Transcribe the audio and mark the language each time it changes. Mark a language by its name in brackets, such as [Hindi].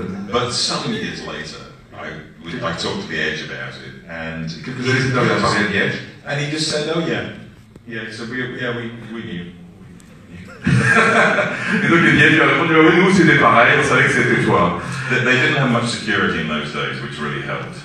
[English] But some years later, I talked to the Edge about it, and he just said, "Oh yeah, so we knew." [French] Et donc Edge a répondu, "Oui, nous c'était pareil, on savait que c'était toi." [English] They didn't have much security in those days, which really helped.